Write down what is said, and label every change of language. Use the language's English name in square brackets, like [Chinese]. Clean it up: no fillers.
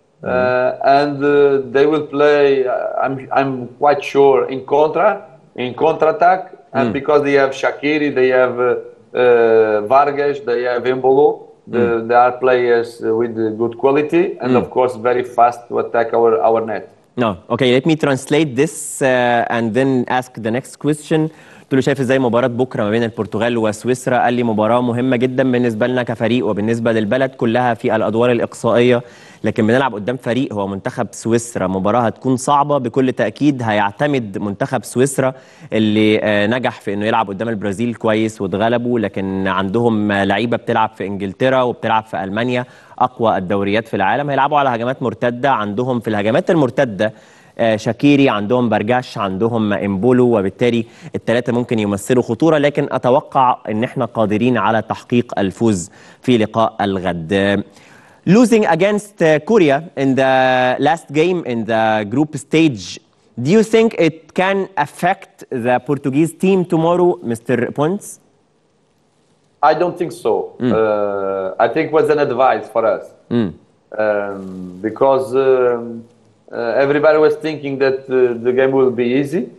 [English] And they will play, I'm quite sure, in contra-attack. And because they have Shaqiri, they have Vargas, they have Embolo, they are players with good quality and of course very fast to attack our net. No, okay, let me translate this and then ask the next question. [Arabic] قلت له شايف ازاي مباراة بكرة ما بين البرتغال وسويسرا؟ قال لي مباراة مهمة جدا بالنسبة لنا كفريق وبالنسبة للبلد كلها في الأدوار الإقصائية، لكن بنلعب قدام فريق هو منتخب سويسرا، مباراة هتكون صعبة بكل تأكيد، هيعتمد منتخب سويسرا اللي نجح في إنه يلعب قدام البرازيل كويس واتغلبوا، لكن عندهم لعيبة بتلعب في إنجلترا وبتلعب في ألمانيا أقوى الدوريات في العالم، هيلعبوا على هجمات مرتدة، عندهم في الهجمات المرتدة شاكيري، عندهم برجاش، عندهم امبولو، وبالتالي الثلاثة ممكن يمثلوا خطورة، لكن أتوقع أن احنا قادرين على تحقيق الفوز في لقاء الغد. [English] Losing against Korea in the last game in the group stage, do you think it can affect the Portuguese team tomorrow, Mr. Pons? I don't think so. I think it was an advice for us. Because everybody was thinking that the game will be easy.